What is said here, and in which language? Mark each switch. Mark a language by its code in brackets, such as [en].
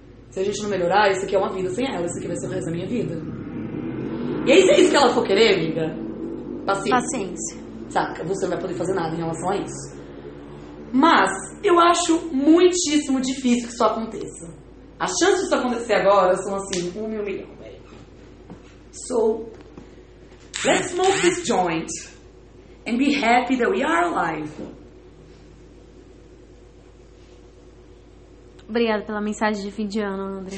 [pt] Se a gente não melhorar, isso aqui é uma vida sem ela. Isso aqui vai ser o resto da minha vida. E aí, se é isso que ela for querer, amiga, paciência. Saca? Você não vai poder fazer nada em relação a isso. Mas eu acho muitíssimo difícil que isso aconteça. As chances disso acontecer agora são assim, 1 em 1 milhão, velho. [en] So, let's smoke this joint and be happy that we are alive. [pt] Obrigada pela mensagem de fim de ano, André.